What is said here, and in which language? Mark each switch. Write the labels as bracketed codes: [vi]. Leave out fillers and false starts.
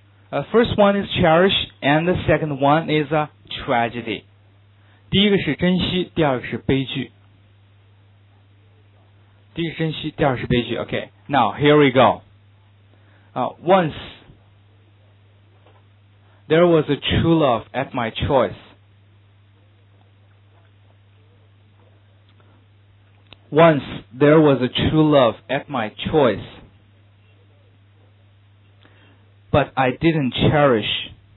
[en] First one is cherish， and the second one is a tragedy。 [zh] 第一个是珍惜，第二个是悲剧。第一个是珍惜，第二个是悲剧。 [en] OK， now here we go。 Once there was a true love at my choice. Once there was a true love at my choice, but I didn't cherish.